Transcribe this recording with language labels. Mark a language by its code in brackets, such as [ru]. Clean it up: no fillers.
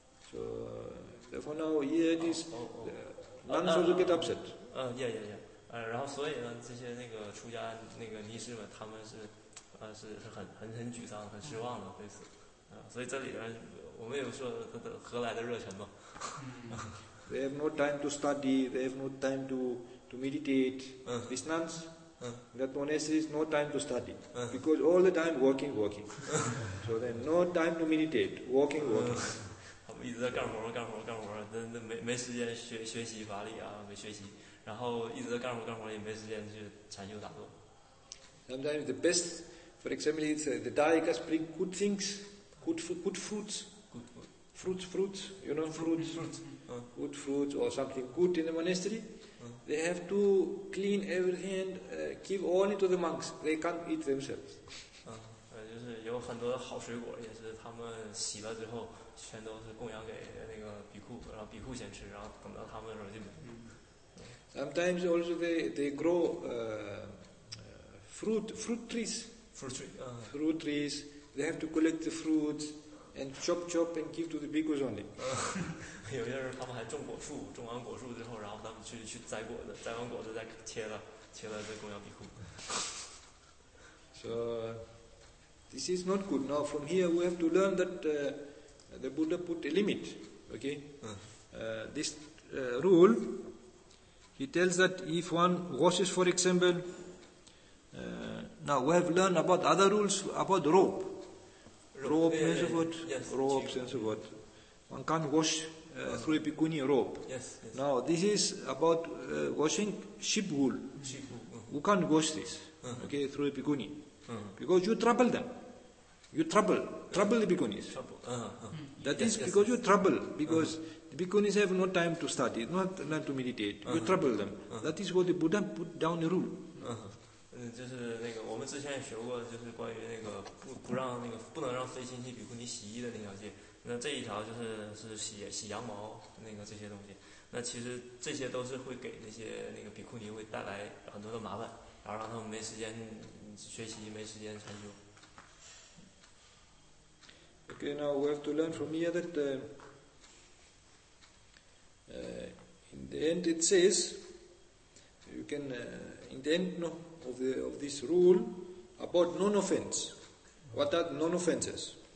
[en] So therefore now he had this, none should get upset. Yeah. [zh] 然后所以呢，这些那个出家那个尼师们，他们是，是很沮丧、很失望的，对此。所以这里边我们有说何来的热忱吗？ [en] They have no time to study. They have no time to meditate. These nuns, that monasteries, no time to study, because all the time working. So then no time to meditate. Working. 他们一直在干活，没时间学习法理啊，没学习，然后一直在干活，也没时间去禅修打坐。 Sometimes the best, for example, it's the Dayakas bring good things, good fruits. Good food. Fruits, you know, fruits. Good fruits or something good in the monastery. They have to clean everything and give only to the monks. They can't eat themselves. [zh] 就是有很多好水果，也是他们洗了之后，全都是供养给那个比库，然后比库先吃，然后等到他们的时候就没。 [en] Sometimes also they grow fruit trees. Fruit trees. They have to collect the fruits. And chop and give to the bhikkhus only. 有些人他们还种果树，种完果树之后，然后他们去摘果子，摘完果子再切了再供养比库。 So this is not good. Now from here we have to learn that the Buddha put a limit. Okay. This rule. He tells that if one washes, for example. Now we have learned about other rules about rope. Rope and so forth. One can't wash through a bikuni rope. Yes. Now, this is about washing sheep wool. Who can't wash this okay, through a bikuni? Because you trouble them. You trouble the bikunis. The bikunis have no time to study, not learn to meditate. You trouble them. That is what the Buddha put down a rule. [zh] 就是那个，我们之前也学过，就是关于那个不让那个不能让非亲戚比库尼洗衣的那条戒。那这一条就是洗羊毛那个这些东西。那其实这些都是会给那些那个比库尼会带来很多的麻烦，然后让他们没时间学习，没时间禅修。 [en] Okay, now we have to learn from here that in the end it says you can in the end no. Of this rule about non-offense. What are non-offenses?